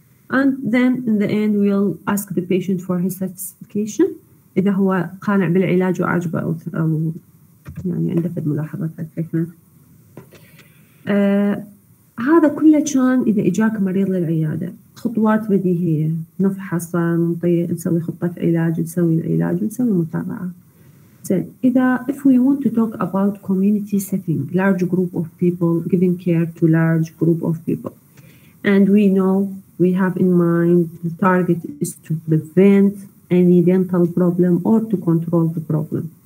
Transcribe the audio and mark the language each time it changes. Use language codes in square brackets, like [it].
[en] And then in the end we'll ask the patient for his certification. [ar] إذا هو قانع بالعلاج وعجبه أو يعني عنده فد ملاحظات على التريتمنت. هذا كله كان إذا إجاك مريض للعيادة. خطوات بديهية, نفحص, نسوي خطة علاج, نسوي العلاج, نسوي متابعة. [en] Then إذا if we want to talk about community setting, large group of people, giving care to large group of people, and we know we have in mind the target is to prevent any dental problem or to control the problem.